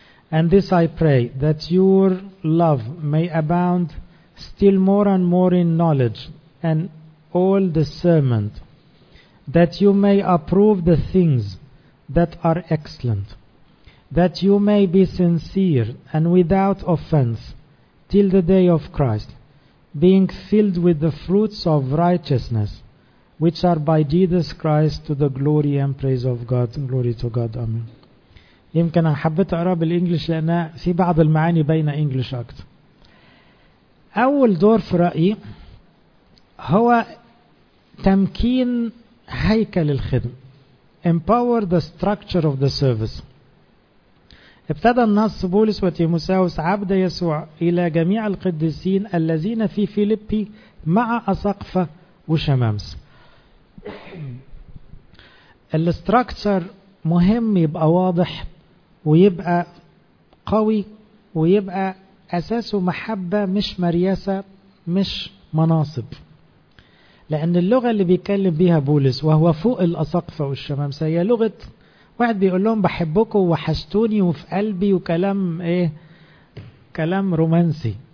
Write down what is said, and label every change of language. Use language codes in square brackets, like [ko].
[en] And this I pray, that your love may abound still more and more in knowledge and all discernment, that you may approve the things that are excellent, that you may be sincere and without offense till the day of Christ, being filled with the fruits of righteousness, which are by Jesus Christ to the glory and praise of God. Glory to God. Amen. [ar] يمكن أنا حبيت أقرأ بالإنجليش لأن في بعض المعاني بين إنجليش أكثر. أول دور في رأيي هو تمكين هيكل الخدم. [en] Empower the structure of the service. [ar] ابتدى النص بولس وتيموساوس عبد يسوع إلى جميع القديسين الذين في فيليبي مع أسقفة وشمامس. الستركتر مهم يبقى واضح ويبقى قوي ويبقى أساسه محبة مش مرياسة مش مناصب، لأن اللغة اللي بيكلم بيها بولس وهو فوق الأسقفة والشمامسة هي لغة واحد بيقول لهم بحبكم وحشتوني وفي قلبي وكلام إيه، كلام رومانسي.